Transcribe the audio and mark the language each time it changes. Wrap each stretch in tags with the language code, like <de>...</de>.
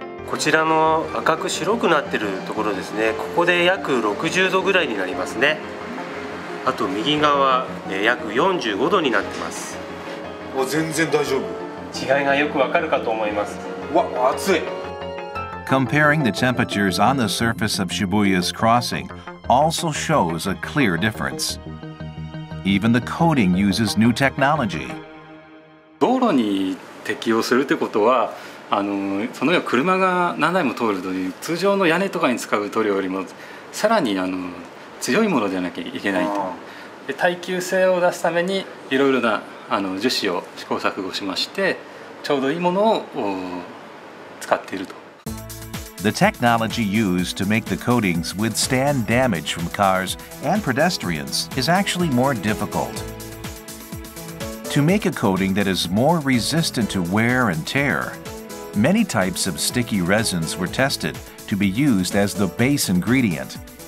<ja>こちらの赤く白くなっているところですね。ここで約60度ぐらいになりますね。あと右側、約45度になってます。もう全然大丈夫。違いがよくわかるかと思います。わ、暑い。</ja> <en>Comparing the temperatures on the surface of Shibuya's crossing also shows a clear difference. Even the coating uses new technology.</en> <ja>道路に適用するってことは、そのような車が何台も通るという通常の屋根とかに使う塗料よりもさらに強いものでなきゃいけないと。で、耐久性を出すためにいろいろな樹脂を試行錯誤しまして、ちょうどいいものを使っていると。</ja> <en>The technology used to make the coatings withstand damage from cars and pedestrians is actually more difficult. To make a coating that is more resistant to wear and tear, many types of sticky resins were tested to be used as the base ingredient.</en>